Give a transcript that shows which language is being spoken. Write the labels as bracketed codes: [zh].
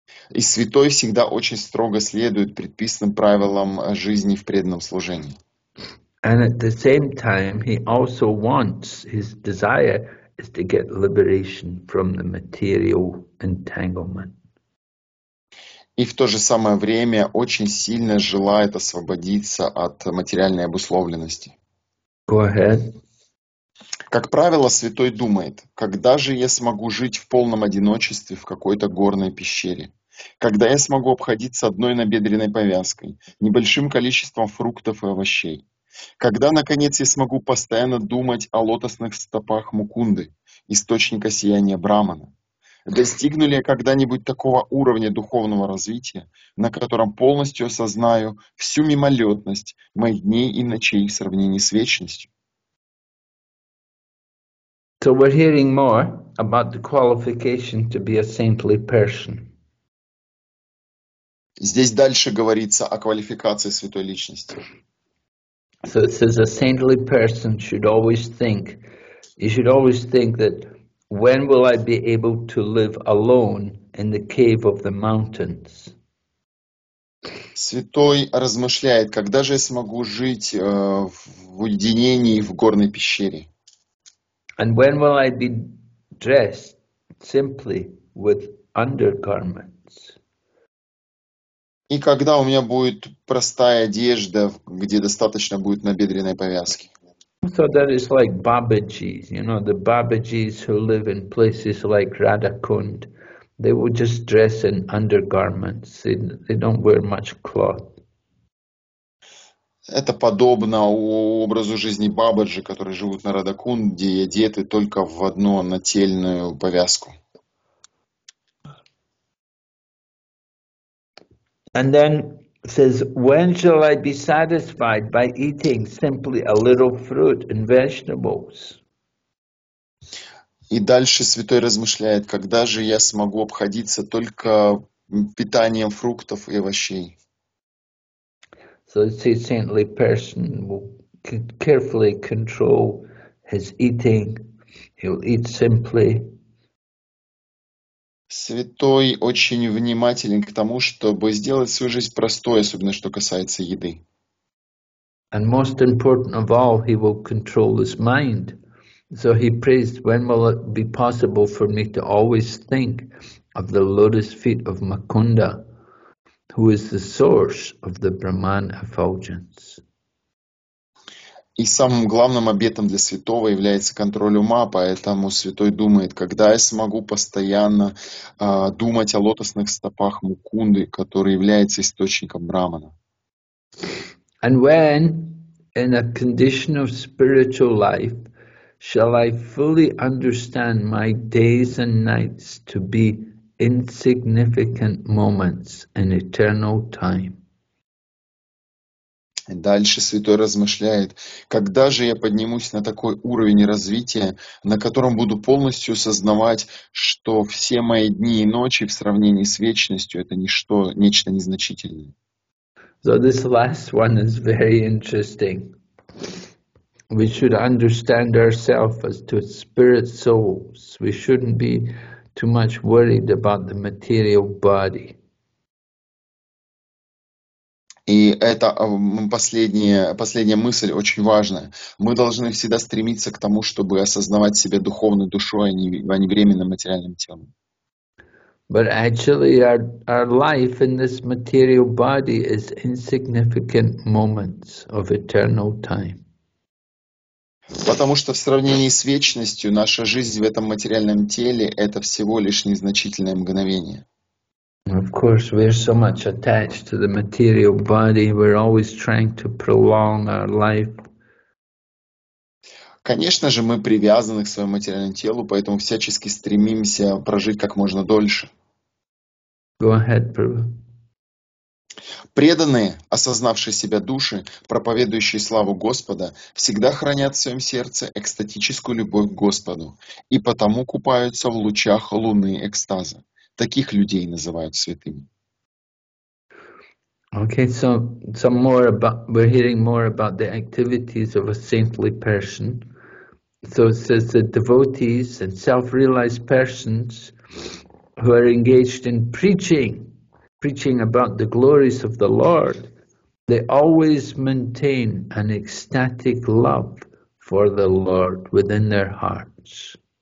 [ru] И святой всегда очень строго следует предписанным правилам жизни в преданном служении. [en] And at the same time, he also wants, his desire is to get liberation from the material entanglement. [ru] И в то же самое время очень сильно желает освободиться от материальной обусловленности. [en] Go ahead. [ru] Как правило, святой думает, когда же я смогу жить в полном одиночестве в какой-то горной пещере? Когда я смогу обходиться одной набедренной повязкой, небольшим количеством фруктов и овощей? Когда, наконец, я смогу постоянно думать о лотосных стопах Мукунды, источника сияния Брахмана? Достигну ли я когда-нибудь такого уровня духовного развития, на котором полностью осознаю всю мимолетность моих дней и ночей в сравнении с вечностью? [en] So we're hearing more about the qualification to be a saintly person. [ru] Здесь дальше говорится о квалификации святой личности. [en] So it says a saintly person should always think that When will I be able to live alone in the cave of the mountains? [ru] Святой размышляет, когда же я смогу жить в уединении в горной пещере? [en] And when will I be dressed simply with undergarments? [ru] И когда у меня будет простая одежда, где достаточно будет набедренной повязки? [en] So that is like Babaji's, you know, the Babaji's who live in places like Radhakund. They would just dress in undergarments. They don't wear much cloth. [ru] Это подобно образу жизни Бабаджи, которые живут на Радакунде и одеты только в одну нательную повязку. [en] And then says, when shall I be satisfied by eating simply a little fruit and vegetables? [ru] И дальше святой размышляет, когда же я смогу обходиться только питанием фруктов и овощей. [en] So it's a saintly person who can carefully control his eating. He'll eat simply. [ru] Святой очень внимателен к тому, чтобы сделать свою жизнь простой, особенно что касается еды. [en] And most important of all, he will control his mind. So he prays, when will it be possible for me to always think of the lotus feet of Makunda, who is the source of the Brahman effulgence? [ru] И самым главным обетом для святого является контроль ума, поэтому святой думает, когда я смогу постоянно думать о лотосных стопах Мукунды, который является источником Брахмана. [en] And when, in a condition of spiritual life, shall I fully understand my days and nights to be insignificant moments in eternal time? [ru] И дальше святой размышляет, когда же я поднимусь на такой уровень развития, на котором буду полностью осознавать, что все мои дни и ночи в сравнении с вечностью это ничто, нечто незначительное. [en] So this last one is very interesting. We should understand ourselves as to spirit souls. We shouldn't be too much worried about the material body. [ru] И это последняя мысль очень важная. Мы должны всегда стремиться к тому, чтобы осознавать себя духовной душой, а не временным материальным телом. [en] But actually our life in this material body is insignificant moments of eternal time. [ru] Потому что в сравнении с вечностью наша жизнь в этом материальном теле — это всего лишь незначительное мгновение. [en] Of course, we're so much attached to the material body, we're always trying to prolong our life. [ru] Конечно же, мы привязаны к своему материальному телу, поэтому всячески стремимся прожить как можно дольше. [en] Go ahead, Prabhu. [ru] Преданные, осознавшие себя души, проповедующие славу Господа, всегда хранят в своем сердце экстатическую любовь к Господу и потому купаются в лучах луны экстаза. Таких людей называют святыми. [en] Okay, so some more about, we're hearing more about the activities of a saintly person. So it says that devotees and self-realized persons who are engaged in preaching about the glories of the Lord, they always maintain an ecstatic love for the Lord within their hearts.